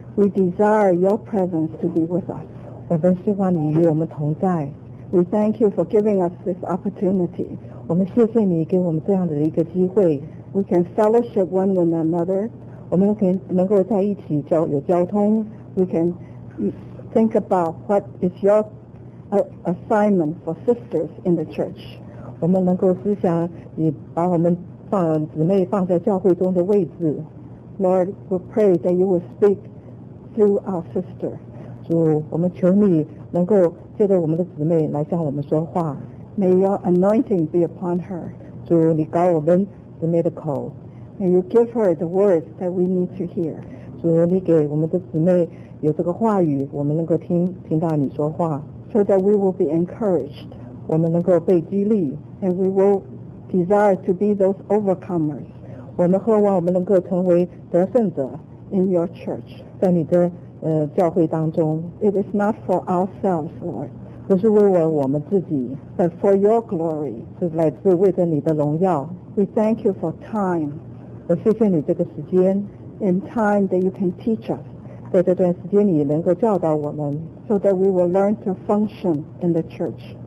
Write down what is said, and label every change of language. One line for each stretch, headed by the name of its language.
English: We desire your presence to be with us.
Chinese: 我们希望你与我们同在。
English: We thank you for giving us this opportunity.
Chinese: 我们谢谢你给我们这样的一个机会。
English: We can fellowship one with another.
Chinese: 我们可以能够在一起有交通。
English: We can think about what is your assignment for sisters in the church.
Chinese: 我们能够思想你把我们姊妹放在教会中的位置。
English: Lord, we pray that you will speak through our sister.
Chinese: 主，我们求你能够借着我们的姊妹来向我们说话。
English: May your anointing be upon her.
Chinese: 主，你膏我们姊妹的口。
English: May you give her the words that we need to hear.
Chinese: 主，你给我们的姊妹有这个话语，我们能够听到你说话。
English: So that we will be encouraged.
Chinese: 我们能够被激励。
English: And we will desire to be those overcomers.
Chinese: 我们渴望我们能够成为得胜者。
English: In your church.
Chinese: 在你的教会当中。
English: It is not for ourselves, Lord.
Chinese: 不是为我们自己。
English: But for your glory.
Chinese: 是来自为着你的荣耀。
English: We thank you for time.
Chinese: 我谢谢你这个时间。
English: In time that you can teach us.
Chinese: 在这段时间你能够教导我们。
English: So that we will learn to function in the church.